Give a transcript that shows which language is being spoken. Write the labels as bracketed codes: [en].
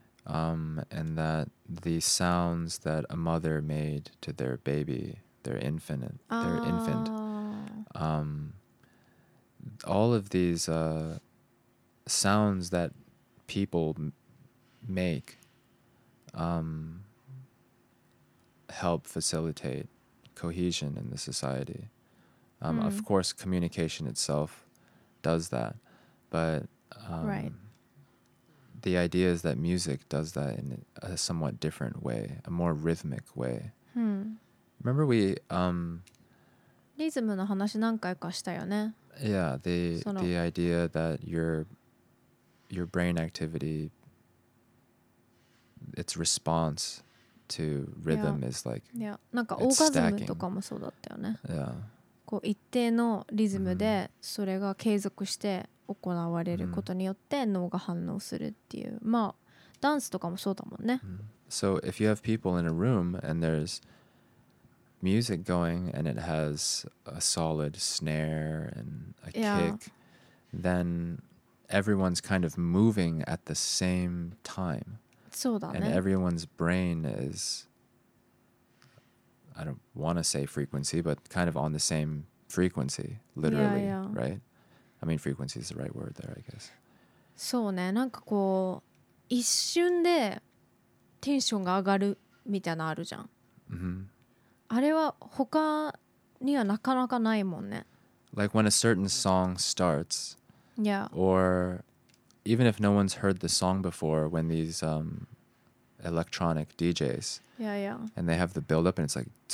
[en] And that the sounds that a mother made to their baby, their infant, all of these sounds that people make help facilitate cohesion in the society. Of course, communication itself does that, but the idea is that music does that in a somewhat different way, a more rhythmic way. Remember we... [ja] リズムの話何回かしたよね? [en] Yeah, the idea that your brain activity, its response to rhythm is like... [ja] なんかオーガズムとかもそうだったよね。 [en] Yeah. [ja] こう一定のリズムでそれが継続して行われることによって脳が反応するっていう、まあダンスとかもそうだもんね。 [en] So if you have people in a room and there's music going and it has a solid snare and a kick, then everyone's kind of moving at the same time. [ja] そうだね。 [en] And everyone's brain is, I don't want to say frequency, but kind of on the same frequency, literally, right? I mean, frequency is the right word there, I guess. [ja] そうね、なんかこう一瞬でテンションが上がるみたいなのあるじゃん。 Mm-hmm. あれは他にはなかなかないもんね。 [en] Like when a certain song starts, yeah. Or even if no one's heard the song before, when these electronic DJs, yeah, yeah. And they have the build up, and it's like,